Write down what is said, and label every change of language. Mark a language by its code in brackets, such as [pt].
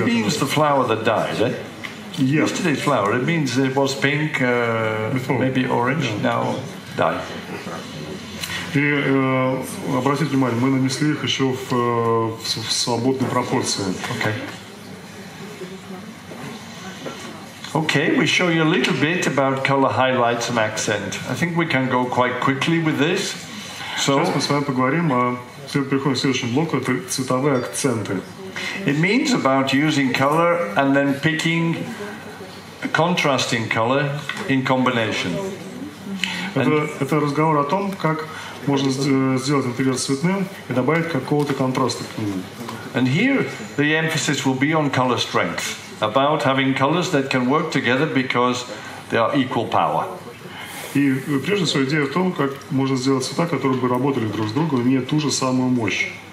[en] It means the flower that died, eh? Yeah. Yesterday's flower. It means it was pink, before. Maybe orange, yeah. Now died. [ru] И обратите внимание, мы нанесли их еще в свободной пропорции. [en] Okay. Okay, we show you a little bit about color highlights and accent. I think we can go quite quickly with this. So, [ru] сейчас мы с вами поговорим о следующем блоке, это цветовые акценты. [en] It means about using color and then picking a contrasting color in combination. [ru] Это разговор о том, как можно сделать интерьер цветным и добавить какого-то контраста к нему. [en] And here the emphasis will be on color strength, about having colors that can work together because they are equal power. [ru] И прежде всего идея в том, как можно сделать цвета, которые бы работали друг с другом, имея ту же самую мощь.